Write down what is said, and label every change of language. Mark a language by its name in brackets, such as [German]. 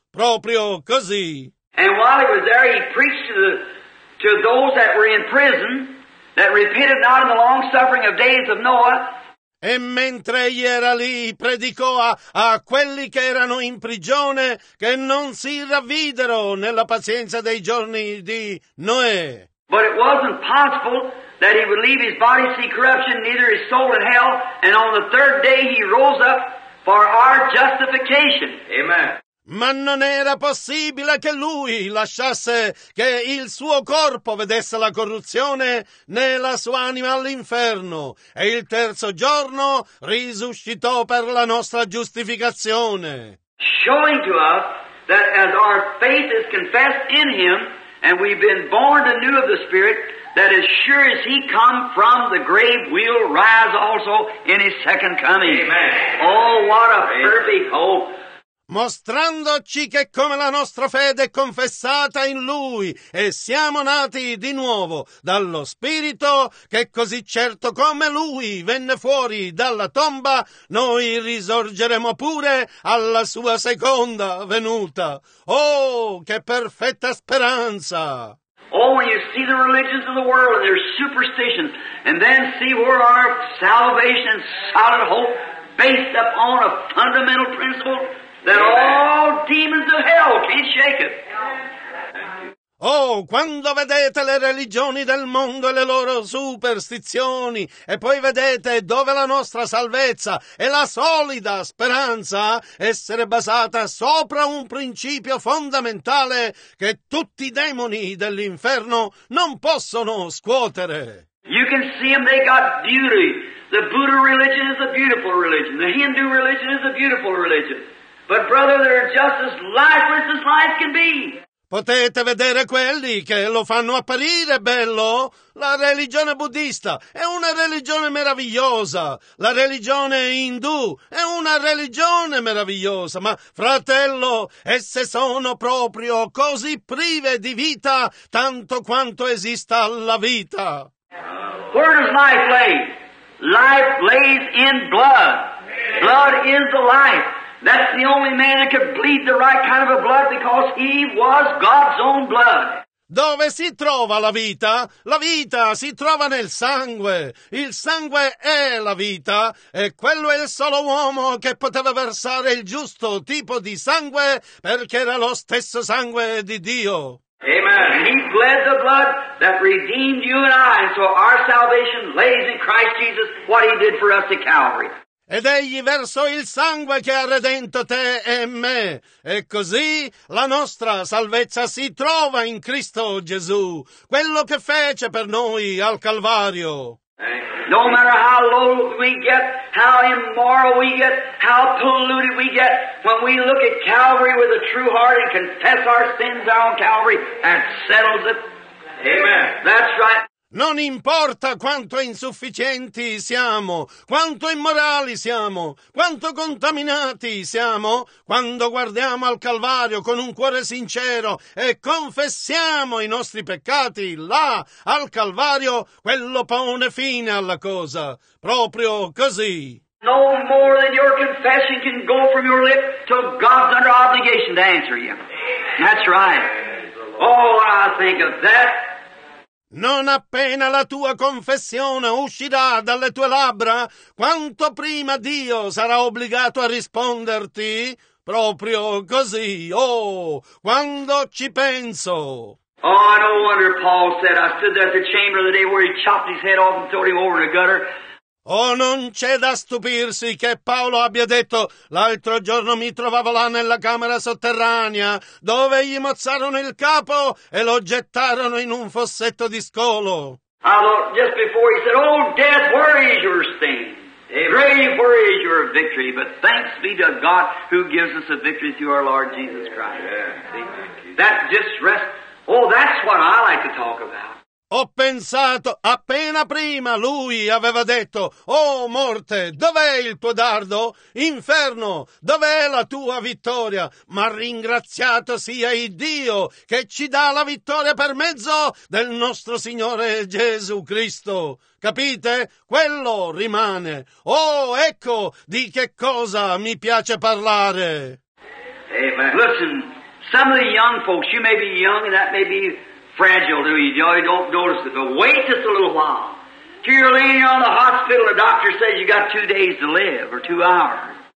[Italian] Proprio così. [English] And while he was there, he preached to those that were in prison, that repented not in the long suffering of days of Noah. [Italian] E mentre egli era lì, predicò a quelli che erano in prigione che non si ravvidero nella pazienza dei giorni di Noè. [English] But it wasn't possible that he would leave his body see corruption, neither his soul in hell, and on the third day he rose up for our justification. Amen. [Italian] Ma non era possibile che lui lasciasse che il suo corpo vedesse la corruzione né la sua anima all'inferno, e il terzo giorno risuscitò per la nostra giustificazione. [English] Showing to us that as our faith is confessed in Him, and we've been born anew of the Spirit, that as sure as He come from the grave, we'll rise also in His second coming. Amen. Oh, what a perfect hope! [Italian] Mostrandoci che come la nostra fede è confessata in Lui e siamo nati di nuovo dallo Spirito, che così certo come Lui venne fuori dalla tomba, noi risorgeremo pure alla sua seconda venuta. Oh, che perfetta speranza! [English] Oh, when you see the religions of the world and their superstitions, and then see where our salvation and solid hope based upon a fundamental principle, that all demons of hell can't shake it. [Italian] Oh, quando vedete le religioni del mondo e le loro superstizioni, e poi vedete dove la nostra salvezza e la solida speranza essere basata sopra un principio fondamentale che tutti i demoni dell'inferno non possono scuotere. [English] You can see them, they got beauty. The Buddha religion is a beautiful religion. The Hindu religion is a beautiful religion. But brother, they're just as lifeless as life can be. [Italian] Potete vedere quelli che lo fanno apparire bello? La religione buddista è una religione meravigliosa. La religione indù è una religione meravigliosa. Ma, fratello, esse sono proprio così prive di vita tanto quanto esista la vita. [English] Where does life lay? Life lays in blood. Blood is the life. That's the only man that could bleed the right kind of a blood, because he was God's own blood. [Italian] Dove si trova la vita? La vita si trova nel sangue. Il sangue è la vita, e quello è il solo uomo che poteva versare il giusto tipo di sangue, perché era lo stesso sangue di Dio. Amen. [English] He bled the blood that redeemed you and I, and so our salvation lays in Christ Jesus, what he did for us at Calvary. [Italian] Ed egli versò il sangue che ha redento te e me. E così la nostra salvezza si trova in Cristo Gesù, quello che fece per noi al Calvario. [English] No matter how low we get, how immoral we get, how polluted we get, when we look at Calvary with a true heart and confess our sins on Calvary, that settles it. Amen. That's right. [Italian] Non importa quanto insufficienti siamo, quanto immorali siamo, quanto contaminati siamo, quando guardiamo al Calvario con un cuore sincero e confessiamo i nostri peccati, là, al Calvario, quello pone fine alla cosa. Proprio così. [English] No more than your confession can go from your lip till God's under obligation to answer you. That's right. Oh, I think of that. [Italian] Non appena la tua confessione uscirà dalle tue labbra, quanto prima Dio sarà obbligato a risponderti? Proprio così. Oh, quando ci penso. [English] Oh, no wonder Paul said, I stood there at the chamber the day where he chopped his head off and threw him over the gutter. [Italian] Oh, non c'è da stupirsi che Paolo abbia detto, l'altro giorno mi trovavo là nella camera sotterranea, dove gli mozzarono il capo e lo gettarono in un fossetto di scolo. [English] Just before he said, oh, death, where is your sting? Grave, where is your victory? But thanks be to God who gives us a victory through our Lord Jesus Christ. That just rests. Oh, that's what I like to talk about. [Italian] Ho pensato, appena prima lui aveva detto, oh morte, dov'è il tuo dardo? Inferno, dov'è la tua vittoria? Ma ringraziato sia il Dio che ci dà la vittoria per mezzo del nostro Signore Gesù Cristo. Capite? Quello rimane. Oh, ecco di che cosa mi piace parlare. Amen. [English] Listen, some of the young folks, you may be young and that may be fragile, do you? You don't notice it, but wait just a little while. Till you're laying on the hospital, the doctor says you got 2 days to live, or 2 hours.